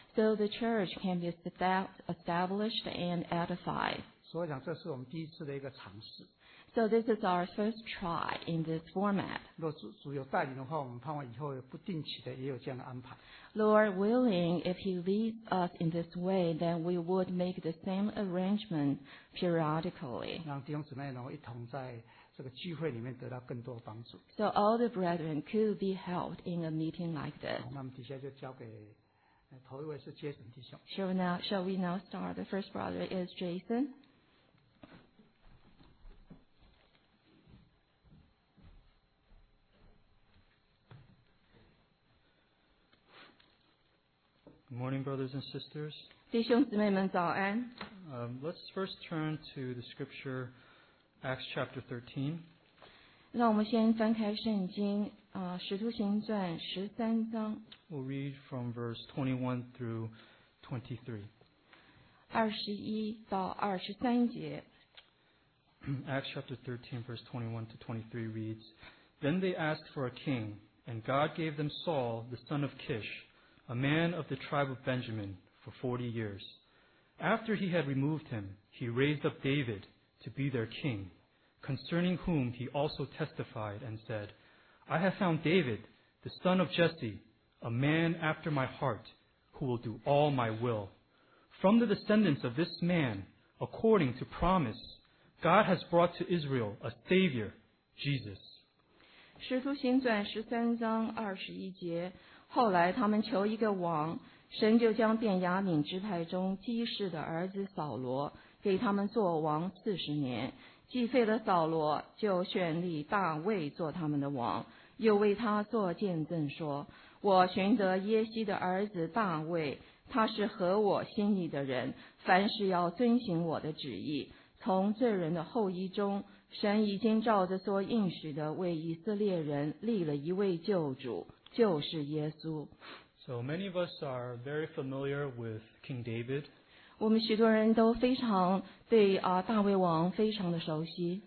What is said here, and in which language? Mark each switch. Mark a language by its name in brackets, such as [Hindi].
[English] So the church can be established and edified. [Chinese] 所以讲，这是我们第一次的一个尝试。 [English] So this is our first try in this format. [Chinese] 若主有带领的话，我们盼望以后不定期的也有这样的安排。 [English] Lord willing, if He leads us in this way, then we would make the same arrangement periodically. [Chinese] 让弟兄姊妹能够一同在这个聚会里面得到更多帮助。 [English] So all the brethren could be helped in a meeting like this. [Chinese] 那么底下就交给头一位是杰森弟兄。 [English] Shall we now start? The first brother is Jason. Good morning, brothers and sisters. [Chinese] 弟兄姊妹们早安。 [English] Let's first turn to the scripture, Acts chapter 13. [Chinese] 让我们先翻开圣经，使徒行传十三章。 [English] We'll read from verse 21 through 23. [Chinese] 二十一到二十三节。 [English] Acts chapter 13, verse 21 to 23 reads, Then they asked for a king, and God gave them Saul, the son of Kish. A man of the tribe of Benjamin for 40 years. After he had removed him, he raised up David to be their king, concerning whom he also testified and said, I have found David, the son of Jesse, a man after my heart, who will do all my will. From the descendants of this man, according to promise, God has brought to Israel a savior Jesus. [Chinese] 使徒行传十三章二十一节，后来他们求一个王，神就将便雅悯支派中基士的儿子扫罗给他们做王四十年，既废了扫罗，就选立大卫做他们的王，又为他做见证说，我寻得耶西的儿子大卫，他是合我心意的人，凡事要遵行我的旨意，从这人的后裔中，神已经照着所应许的为以色列人立了一位救主，就是耶稣。 [English] So many of us are very familiar with King David. [Chinese] 我们许多人都非常对大卫王非常的熟悉。